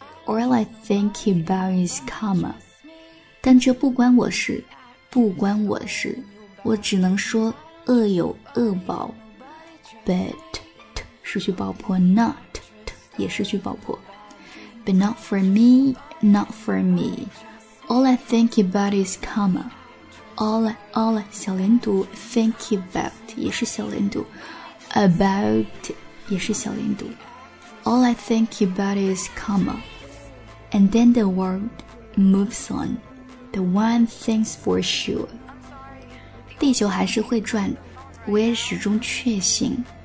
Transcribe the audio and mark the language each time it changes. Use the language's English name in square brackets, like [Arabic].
[English] All I think about is karma. [Chinese] 但这不关我事，不关我事，我只能说恶有恶报。 [English] But [Chinese] 失去爆破 Not 也失去爆破。 [English] But not for me, not for me. All I think about is karma. all 小连读 think about 也是小连读 about 也是小连读 all I think about is comma and then the world moves on the one thing's for sure [Chinese] 地球还是会转我也始终确信